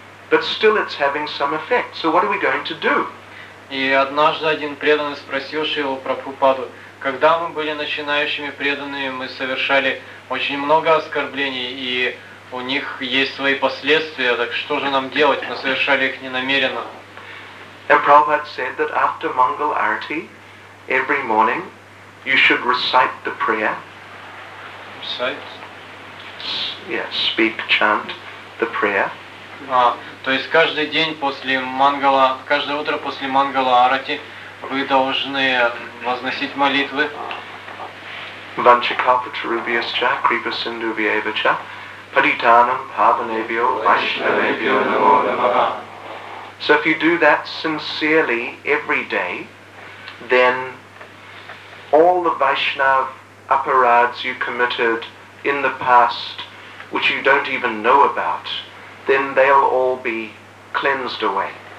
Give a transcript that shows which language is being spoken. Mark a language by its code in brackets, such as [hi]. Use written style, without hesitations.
[en] But still it's having some effect. So what are we going to do? [ru] И однажды один преданный спросил Шрилу Прабхупаду, когда мы были начинающими преданными, мы совершали очень много оскорблений, и у них есть свои последствия, так что же нам делать? Мы совершали их ненамеренно. [en] And Prabhupada said that after Mangal Arati, every morning, you should recite the prayer. Recite? Yes, speak, chant the prayer. [ru] А, то есть каждый день после Мангала, каждое утро после Мангала Арати вы должны возносить молитвы. [sa] Ванчакалпа Чарубьясча, Крипа Синдубьявича. Paditanam Pavanebhyo Vaishnavebhyo Namo Namaha. [en] So if you do that sincerely every day, then all the Vaishnav aparads you committed in the past, which you don't even know about, then they'll all be cleansed away.